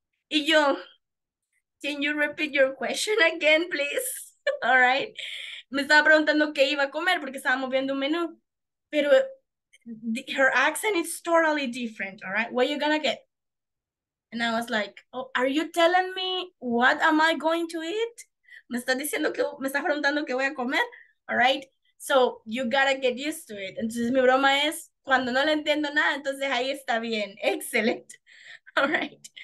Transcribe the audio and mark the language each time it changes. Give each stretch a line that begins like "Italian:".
Spanish: Y yo,
English: can you repeat your question again, please? All right?
Spanish: Me estaba preguntando qué iba a comer porque estábamos viendo un menú.
English: Pero her accent is totally different, all right? What are you gonna get? And I was like, oh, are you telling me what am I going to eat?
Spanish: Me está diciendo que, me está preguntando qué voy a comer,
English: all right? So you gotta get used to it.
Spanish: Entonces mi broma es, cuando no le entiendo nada, entonces ahí está bien.
English: Excellent. All right.